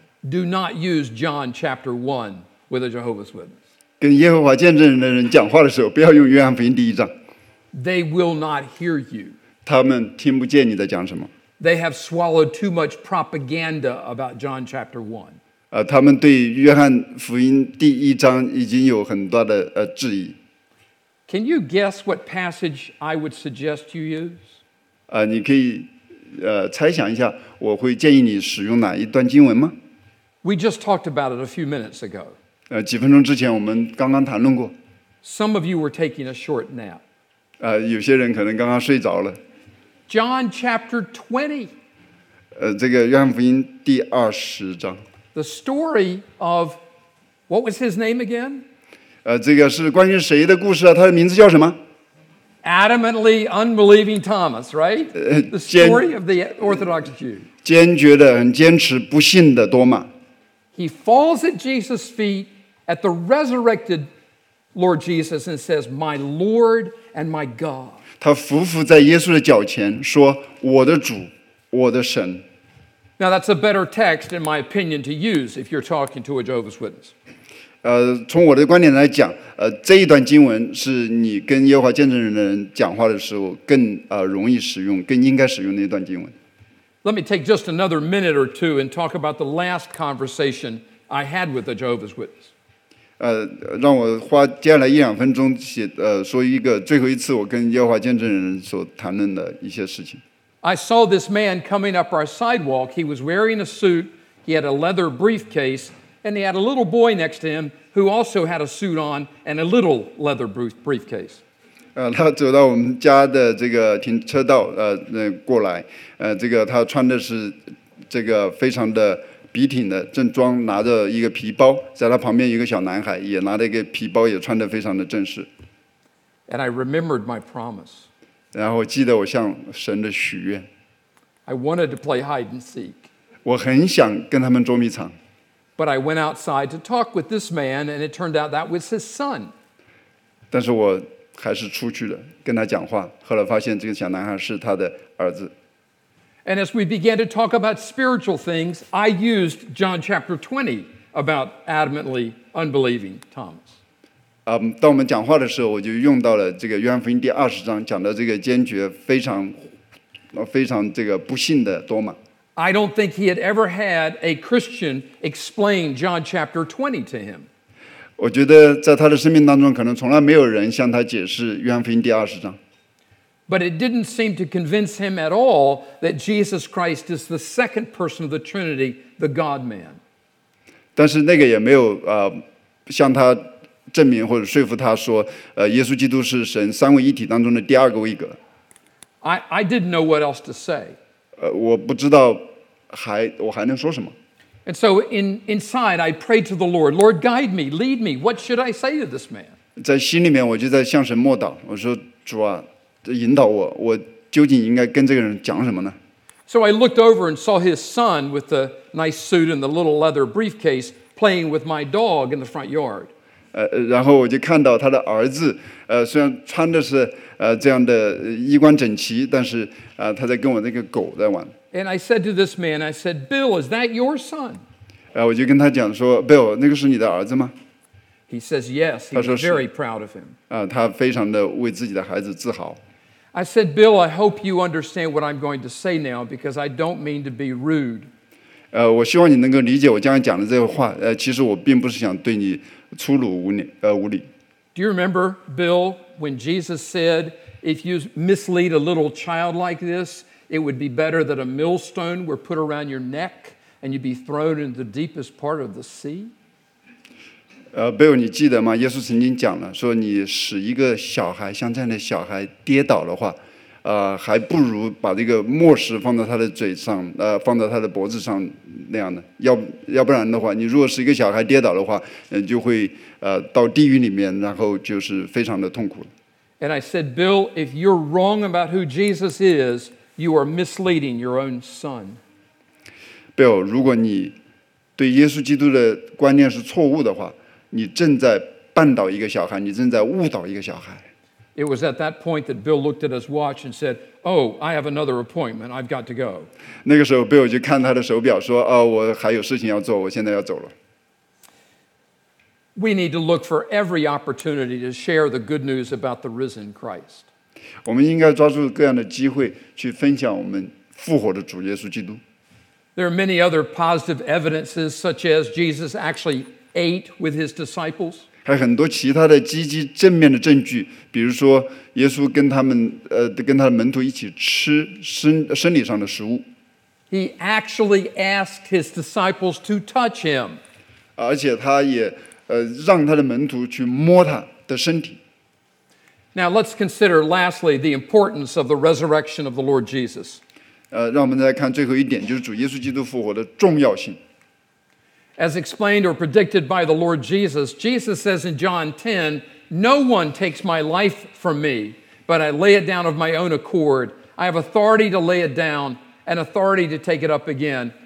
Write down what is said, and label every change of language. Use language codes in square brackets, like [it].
[en] Do not use John chapter 1 with a Jehovah's Witness. [zh] 跟耶和华见证人的人讲话的时候，不要用约翰福音第一章。 [en] They will not hear you. [zh] 他们听不见你在讲什么。 [en] They have swallowed too much propaganda about John chapter 1. [zh] 他们对约翰福音第一章已经有很多的质疑。 [en] Can you guess what passage I would suggest you use? [zh] 你可以猜想一下我会建议你使用哪一段经文吗 [en] We just talked about it a few minutes ago. [zh] 几分钟之前我们刚刚谈论过。 [en] Some of you were taking a short nap. [zh] 有些人可能刚刚睡着了。 [en] John chapter 20. [zh] 这个约翰福音第二十章。 [en] The story of, what was his name again? [zh] 这个是关于谁的故事啊？他的名字叫什么 [en] ？Adamantly unbelieving Thomas, right? The story of the Orthodox Jew. [zh] 坚决的、很坚持、不信的多马。 [en] He falls at Jesus' feet at the resurrected Lord Jesus and says, "My Lord and my God." [zh] 他匍匐在耶稣的脚前，说：“我的主，我的神。” [en] Now that's a better text, in my opinion, to use if you're talking to a Jehovah's Witness. [zh] 从我的观点来讲，这一段经文是你跟耶和华见证人的人讲话的时候更容易使用、更应该使用的一段经文。 [en] Let me take just another minute or two and talk about the last conversation I had with a Jehovah's Witness. [zh] 让我花接下来一两分钟说一个最后一次我跟耶和华见证人所谈论的一些事情。 [en] I saw this man coming up our sidewalk. He was wearing a suit. He had a leather briefcase. And he had a little boy next to him who also had a suit on and a little leather briefcase. [zh] 他走到我们家的这个停车道，过来，这个他穿的是这个非常的笔挺的正装，拿着一个皮包，在他旁边一个小男孩也拿着一个皮包，也穿的非常的正式。 [en] And I remembered my promise. [zh] 然后记得我向神的许愿。 [en] I wanted to play hide and seek. [zh] 我很想跟他们捉迷藏。 [en] But I went outside to talk with this man, and it turned out that was his son. [zh] 但是我还是出去了，跟他讲话。后来发现这个小男孩是他的儿子。 [en] And as we began to talk about spiritual things, I used John chapter 20 about adamantly unbelieving Thomas. [zh] 当我们讲话的时候，我就用到了这个约翰福音第二十章，讲到这个坚决非常这个不信的多马。 [en] I don't think he had ever had a Christian explain John chapter 20 to him. [zh] 我觉得在他的生命当中，可能从来没有人向他解释约翰福音第二十章。 [en] But it didn't seem to convince him at all that Jesus Christ is the second person of the Trinity, the God-Man. [zh] 但是那个也没有向他证明或者说服他说，耶稣基督是神三位一体当中的第二个位格。 [en] I didn't know what else to say. [zh] 我不知道我还能说什么。 [en] And so inside, I prayed to the Lord, Lord, guide me, lead me. What should I say to this man? [zh] 在心里面，我就在向神默祷，我说主啊。引导我，我究竟应该跟这个人讲什么呢？ [en] So I looked over and saw his son with the nice suit and the little leather briefcase playing with my dog in the front yard. [zh] 然后我就看到他的儿子，虽然穿的是这样的衣冠整齐，但是他在跟我那个狗在玩。 [en] And I said to this man, I said, Bill, is that your son? [zh] 我就跟他讲说 ，Bill， 那个是你的儿子吗？ [en] He says yes. He was very proud of him. [zh] 他非常的为自己的孩子自豪。 [en] I said, Bill, I hope you understand what I'm going to say now, because I don't mean to be rude. [zh] 我希望你能够理解我将要讲的这个话。其实我并不是想对你粗鲁无礼。 [en] Do you remember, Bill, when Jesus said, if you mislead a little child like this, it would be better that a millstone were put around your neck and you'd be thrown into the deepest part of the sea? [zh] Bill， 你记得吗？耶稣曾经讲了，说你使一个小孩像这样的小孩跌倒的话，还不如把这个磨石放在他的嘴上，放在他的脖子上那样的。要不然的话，你如果是一个小孩跌倒的话，就会到地狱里面，然后就是非常的痛苦。 [en] And I said, Bill, if you're wrong about who Jesus is, you are misleading your own son. [zh] Bill， 如果你对耶稣基督的观念是错误的话。你正在绊倒一个小孩，你正在误导一个小孩。 [en] It was at that point that Bill looked at his watch and said, "Oh, I have another appointment. I've got to go." [zh] 那个时候 ，Bill 就看他的手表，说：“哦，我还有事情要做，我现在要走了。” [en] We need to look for every opportunity to share the good news about the risen Christ. [zh] 我们应该抓住各样的机会去分享我们复活的主耶稣基督。 [en] There are many other positive evidences, such as Jesus actually. Ate with his disciples. [zh] 还很多其他的积极正面的证据，比如说耶稣跟他们跟他的门徒一起吃生理上的食物。 [en] He actually asked his disciples to touch him. [zh] 而且他也让他的门徒去摸他的身体。 [en] Now let's consider lastly the importance of the resurrection of the Lord Jesus. [zh] 让我们再看最后一点，就是主耶稣基督复活的重要性。 [en] As explained or predicted by the Lord Jesus, Jesus says in John 10, No one takes my life from me, but I lay it down of my own accord. I have authority to lay it down and authority to take it up again.